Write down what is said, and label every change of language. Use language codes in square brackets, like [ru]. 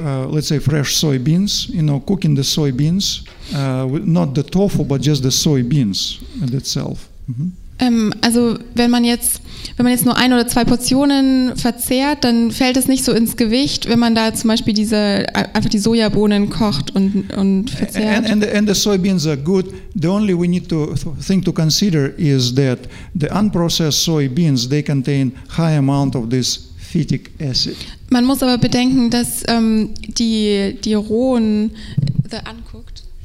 [en] let's say fresh soybeans, you know, cooking the soybeans, not the tofu, but just the soybeans in itself. Mm-hmm. [de] Also wenn man jetzt nur ein oder zwei Portionen verzehrt, dann fällt es nicht so ins Gewicht, wenn man da zum Beispiel diese einfach die Sojabohnen kocht und verzehrt. [en] And the soybeans are good. The only we need to thing to consider is that the unprocessed soybeans they contain high amount of this phytic acid. [de] Man muss aber bedenken, dass die rohen [en] the uncooked,